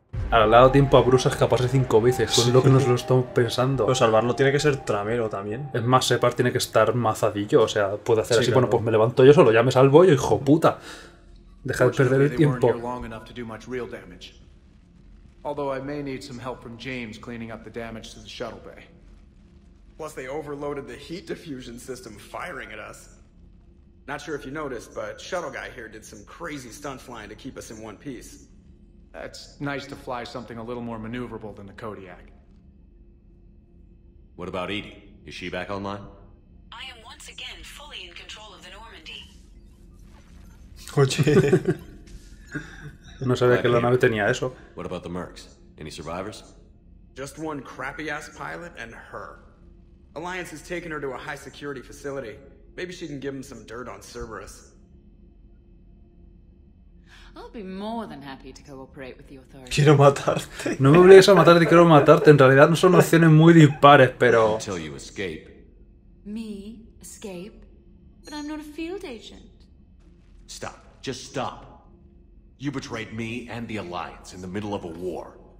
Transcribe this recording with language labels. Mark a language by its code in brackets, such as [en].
[es] Ahora le ha dado tiempo a Bruce a escaparse 5 veces, con lo que nos lo estamos pensando. Pero salvarlo tiene que ser tramero también. Es más, Separ tiene que estar mazadillo, o sea, puede hacer sí, así, claro. Bueno, pues me levanto yo solo, ya me salvo yo, hijo puta. Deja de perder el tiempo. [en] Although I may need some help from James cleaning up the damage to the shuttle bay. Plus they overloaded the heat diffusion system firing at us. Not sure if you noticed, but shuttle guy here did some crazy stunt flying to keep us in one piece. That's nice to fly something a little more maneuverable than the Kodiak. What about Edie? Is she back online? I am once again fully in control of the Normandy. [es] Oye. No sabía que la nave tenía eso. [en] What about the Mercs? Any survivors? Just one crappy ass pilot and her. Alliance has taken her to a high security facility. Maybe she can give them some dirt on Cerberus. [es] Quiero matarte. No me obligues a matarte, quiero matarte. En realidad no son opciones muy dispares, pero. [en] Until you escape. Me escape, but I'm not a field agent. Stop. Just stop. You betrayed me and the Alliance in the middle of a war.